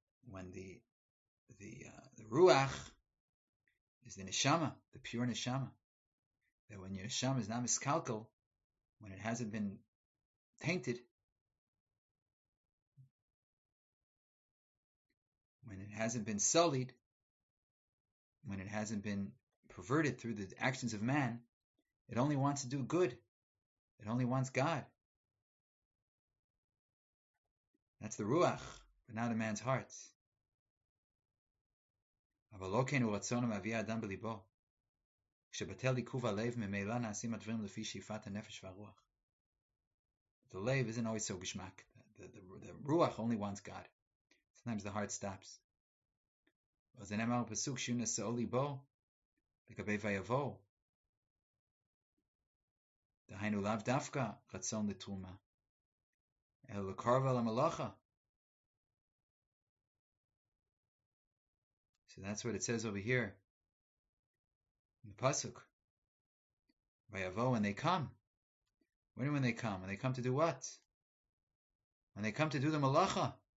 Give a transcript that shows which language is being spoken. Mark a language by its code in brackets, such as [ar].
[en] When the ruach is the neshama, the pure neshama, that when your neshama is not miskalkal, when it hasn't been tainted, when it hasn't been sullied, when it hasn't been perverted through the actions of man, it only wants to do good. It only wants God. That's the ruach, but not a man's heart. [he] אבל לא כן הוא רצון המביא האדם בליבו. כשבטל עיכוב הלב, ממילא נעשים הדברים לפי שאיפת הנפש והרוח. [en] The lev isn't always so geschmack. The ruach only wants God. Sometimes the heart stops. [he] אז זה נאמר בפסוק שיהיו נשאו ליבו, לגבי ויבוא. דהיינו לאו דווקא רצון לתרומה, אלא לקרב על המלאכה. [en] So that's what it says over here in the Pasuk. Vayavo, when they come. When they come? When they come to do what? When they come to do the malacha.